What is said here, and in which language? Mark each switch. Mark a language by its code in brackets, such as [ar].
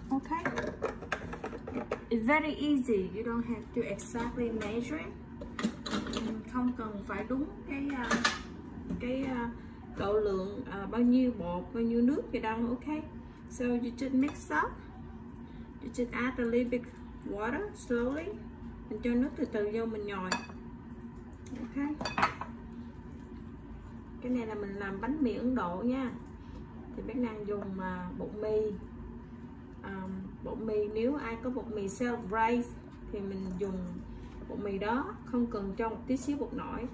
[en] Ok, it's very easy, you don't have to exactly measure. [vi] Không cần phải đúng cái độ lượng bao nhiêu bột, bao nhiêu nước gì đâu. [en] Ok, so you just mix up. You just add a little bit water slowly. [vi] Mình cho nước từ từ vô, mình nhồi. Ok, cái này là mình làm bánh mì Ấn Độ nha. Thì bác đang dùng bột mì, bột mì nếu ai có bột mì self rice thì mình dùng bột mì đó, không cần cho một tí xíu bột nổi.